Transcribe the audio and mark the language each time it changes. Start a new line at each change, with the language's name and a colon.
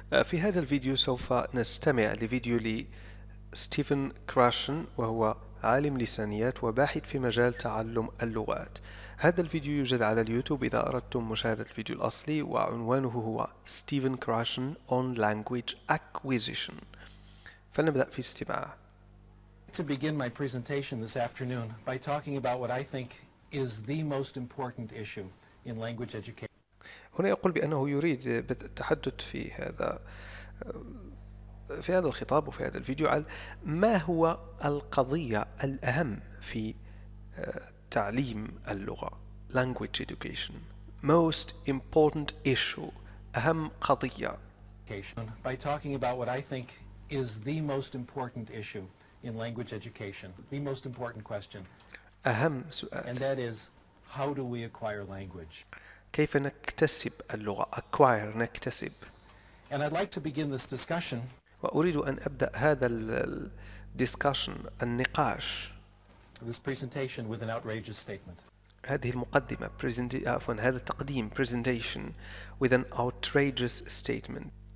Arabic: في هذا الفيديو سوف نستمع لفيديو لستيفن كراشن، وهو عالم لسانيات وباحث في مجال تعلم اللغات. هذا الفيديو يوجد على اليوتيوب إذا أردتم مشاهدة الفيديو الأصلي، وعنوانه هو ستيفن كراشن on language acquisition. فلنبدأ في الاستماع.
English: To begin my presentation this afternoon by talking about what I think is the most important issue in language education.
Arabic: هنا يقول بأنه يريد بدء التحدث في هذا الخطاب وفي هذا الفيديو على ما هو القضية الأهم في تعليم اللغة،
English: language education, most important issue,
Arabic: أهم قضية.
English: By talking about what I think is the most important issue in language education, the most important question.
Arabic: أهم سؤال.
English: And that is, how do we acquire language?
Arabic: كيف نكتسب اللغة؟ acquire، نكتسب.
English: And I'd like to begin this discussion.
Arabic: وأريد أن أبدأ هذا discussion، النقاش.
English: This presentation with an outrageous statement.
Arabic: هذه المقدمة، هذا التقديم،
English: presentation with an outrageous statement.